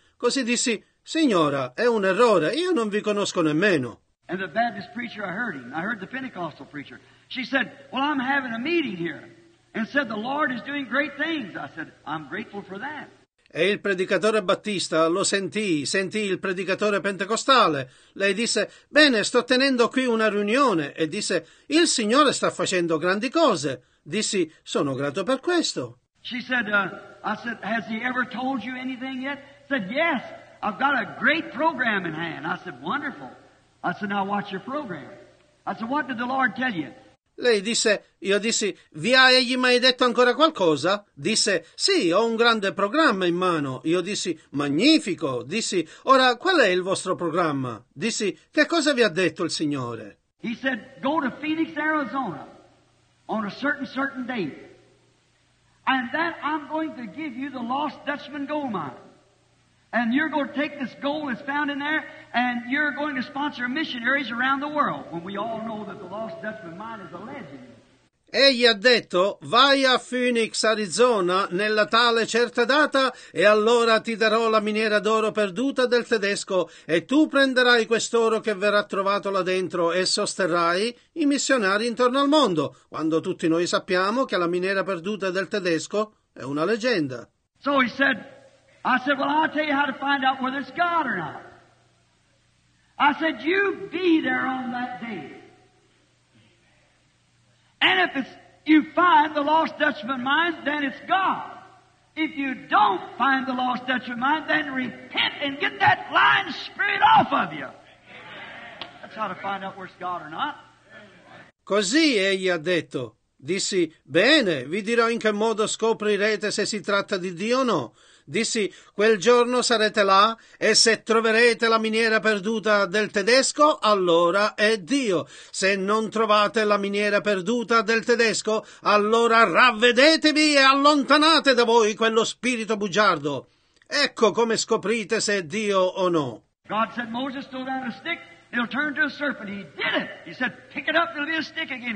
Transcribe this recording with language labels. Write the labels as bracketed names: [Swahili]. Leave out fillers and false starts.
[Italian] Così dissi, signora, è un errore, io non vi conosco nemmeno. [English] And the Baptist preacher, I heard the Pentecostal preacher. She said, well, I'm having a meeting here. And said, the Lord is doing great things. I said, I'm grateful for that. [Italian] E il predicatore battista lo sentì il predicatore pentecostale. Lei disse, bene, sto tenendo qui una riunione. E disse, il Signore sta facendo grandi cose. Dissi, sono grato per questo. [English] She said, I said, has he ever told you anything yet? Said, yes, I've got a great program in hand. I said, wonderful. I said, now watch your program. I said, what did the Lord tell you? [Italian] Lei disse, io dissi, vi ha egli mai detto ancora qualcosa? Disse, sì, ho un grande programma in mano. Io dissi, magnifico. Dissi, ora, qual è il vostro programma? Dissi, che cosa vi ha detto il Signore? [English] He said, go to Phoenix, Arizona, on a certain date. And that I'm going to give you the Lost Dutchman gold mine. And you're going to take this gold that's found in there, and you're going to sponsor missionaries around the world. When we all know that the Lost Dutchman mine is a legend. [Italian] Egli ha detto, vai a Phoenix, Arizona, nella tale certa data, e allora ti darò la miniera d'oro perduta del tedesco, e tu prenderai quest'oro che verrà trovato là dentro e sosterrai i missionari intorno al mondo, quando tutti noi sappiamo che la miniera perduta del tedesco è una leggenda. [English] So he said, I said, well, I'll tell you how to find out whether it's God or not. I said, you be there on that day. And if it's, you find the Lost Dutchman mine, then it's God. If you don't find the Lost Dutchman mine, then repent and get that lying spirit off of you. That's how to find out where it's God or not. [Italian] Così egli ha detto. Dissi, bene, vi dirò in che modo scoprirete se si tratta di Dio o no. Dissi, quel giorno sarete là e se troverete la miniera perduta del tedesco, allora è Dio. Se non trovate la miniera perduta del tedesco, allora ravvedetevi e allontanate da voi quello spirito bugiardo. Ecco come scoprite se è Dio o no. [English] God said Moses threw down a stick, it'll turn to a serpent. He did it. He said, pick it up, it'll be a stick again.